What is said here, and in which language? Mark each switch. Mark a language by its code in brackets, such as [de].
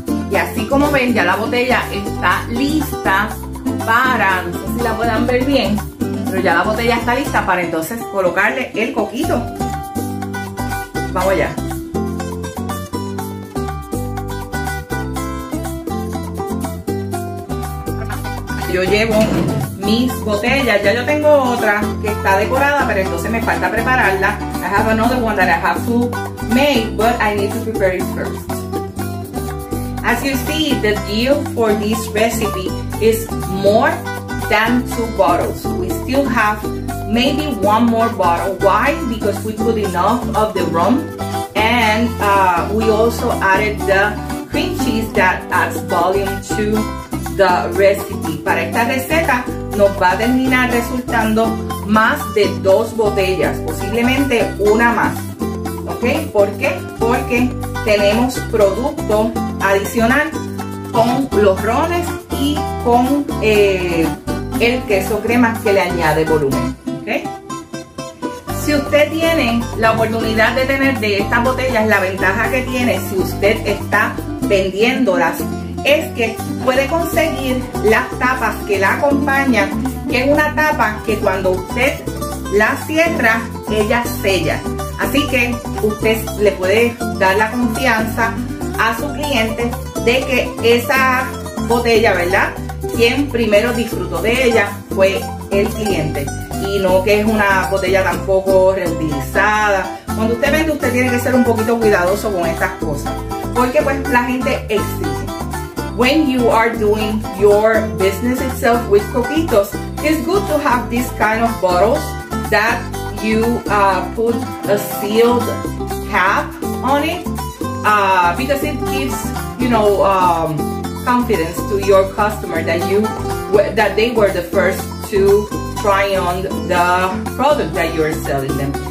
[es] Y así como ven, ya la botella está lista para, no sé si la puedan ver bien, pero ya la botella está lista para entonces colocarle el coquito. Vamos allá. Yo llevo mis botellas, ya yo tengo otra que está decorada, pero entonces me falta prepararla. [en] I have another one that I have to make, but I need to prepare it first. As you see, the deal for this recipe is more than 2 bottles. We still have maybe 1 more bottle. Why? Because we put enough of the rum, and we also added the cream cheese that adds volume to the recipe. [es] Para esta receta nos va a terminar resultando más de 2 botellas, posiblemente una más. ¿Ok? ¿Por qué? Porque tenemos producto adicional con los rones y con el queso crema que le añade volumen. ¿Ok? Si usted tiene la oportunidad de tener de estas botellas, la ventaja que tiene si usted está vendiéndolas es que puede conseguir las tapas que la acompañan, que es una tapa que cuando usted la cierra, ella sella. Así que usted le puede dar la confianza a su cliente de que esa botella, ¿verdad?, quien primero disfrutó de ella fue el cliente, y no que es una botella tampoco reutilizada. Cuando usted vende, usted tiene que ser un poquito cuidadoso con estas cosas, porque pues la gente exige. [en] When you are doing your business itself with Coquitos, it's good to have this kind of bottles that you put a sealed cap on it, because it gives, you know, confidence to your customer that they were the first to try on the product that you are selling them.